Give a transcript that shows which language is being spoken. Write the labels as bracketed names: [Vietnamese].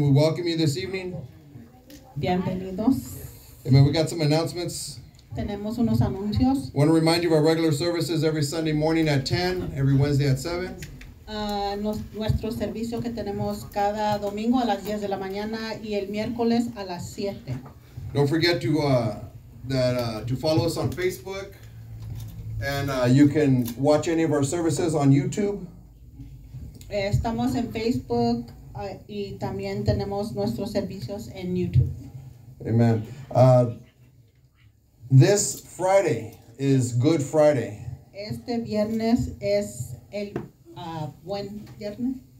[English] We welcome you this evening. [Spanish] Bienvenidos. [English] Amen. We got some announcements. [Spanish] Tenemos unos anuncios. [English] I want to remind you of our regular services every Sunday morning at 10, every Wednesday at 7. [Spanish] Nuestro servicio que tenemos cada domingo a las 10 de la mañana y el miércoles a las 7. [English] Don't forget to follow us on Facebook, and you can watch any of our services on YouTube. [Spanish] Estamos en Facebook y también tenemos nuestros servicios en YouTube. [English] Amen. This Friday is Good Friday. [Spanish] Este viernes es el buen viernes.